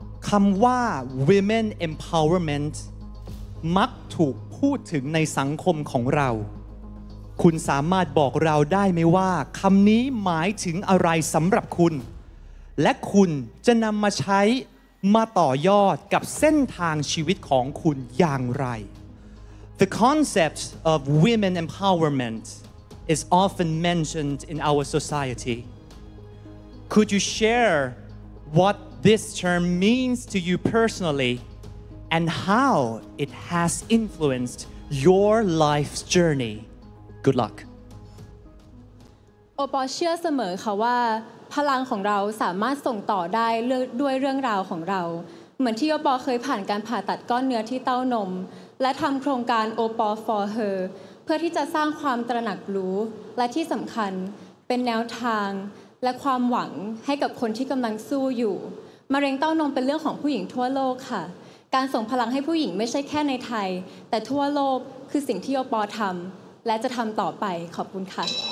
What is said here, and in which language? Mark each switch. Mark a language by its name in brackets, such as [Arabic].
[Thai] คำว่า women empowerment มักถูกพูดถึงในสังคมของเราคุณสามารถบอกเราได้ไหมว่าคำนี้หมายถึงอะไรสำหรับคุณและคุณจะนำมาใช้มาต่อยอดกับเส้นทางชีวิตของคุณอย่างไร [English] The concept of women empowermentis often mentioned in our society. Could you share what this term means to you personally and how it has influenced your life's journey? Good luck. [Thai] โอปอเชื่อเสมอค่ะว่าพลังของเราสามารถส่งต่อได้ด้วยเรื่องราวของเราเหมือนที่โอปอเคยผ่านการผ่าตัดก้อนเนื้อที่เต้านมและทำโครงการโอปอ for herเพื่อที่จะสร้างความตระหนักรู้และที่สำคัญเป็นแนวทางและความหวังให้กับคนที่กำลังสู้อยู่มะเร็งเต้านมเป็นเรื่องของผู้หญิงทั่วโลกค่ะการส่งพลังให้ผู้หญิงไม่ใช่แค่ในไทยแต่ทั่วโลกคือสิ่งที่โอปอทำและจะทำต่อไปขอบคุณค่ะ